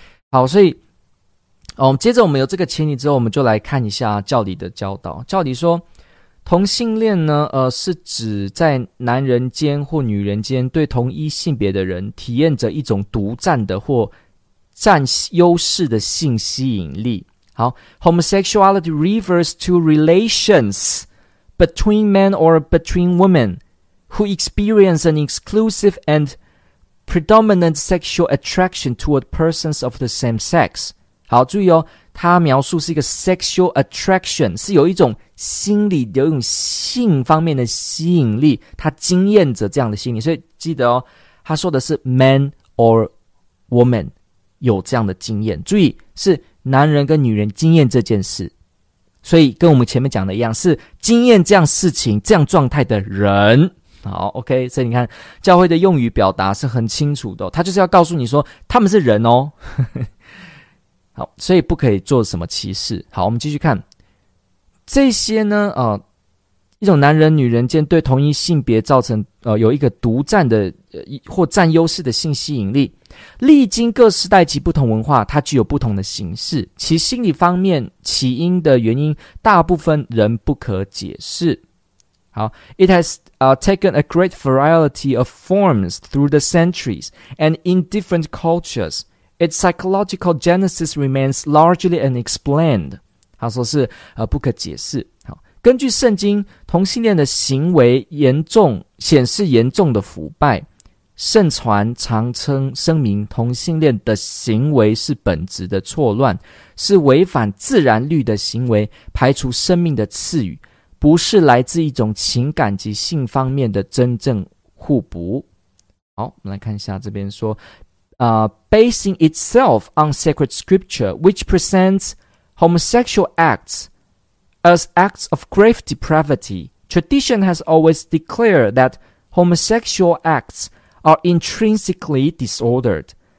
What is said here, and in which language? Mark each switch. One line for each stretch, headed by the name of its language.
Chinese: 好，所以接着我们有这个前提之后，我们就来看一下教理的教导。教理说，同性恋呢是指在男人间或女人间对同一性别的人体验着一种独占的或占优势的性吸引力。
English: 好， homosexuality refers to relations between men or between women who experience an exclusive and predominant sexual attraction toward persons of the same sex。
Chinese: 好，注意哦，他描述是一个
English: sexual attraction，
Chinese: 是有一种心理，有一种性方面的吸引力，他经验着这样的心理，所以记得哦，他说的是
English: man or woman
Chinese: 有这样的经验，注意是男人跟女人经验这件事，所以跟我们前面讲的一样，是经验这样事情这样状态的人。好， OK， 所以你看教会的用语表达是很清楚的，他就是要告诉你说他们是人哦好，所以不可以做什么歧视。好，我们继续看这些呢一种男人女人间对同一性别造成有一个独占的或占优势的性吸引力，历经各时代及不同文化，它具有不同的形式，其心理方面起因的原因大部分人不可解释。
English: 好， It has taken a great variety of forms through the centuries and in different culturesIts psychological genesis remains largely unexplained.
Chinese: 他说是不可解释。好，根据圣经，同性恋的行为严重显示严重的腐败。圣传常称声明同性恋的行为是本质的错乱，是违反自然律的行为，排除生命的赐予。不是来自一种情感及性方面的真正互补。好，我们来看一下这边说
English: basing itself on sacred scripture, which presents homosexual acts as acts of grave depravity, tradition has always declared that homosexual acts are intrinsically disordered.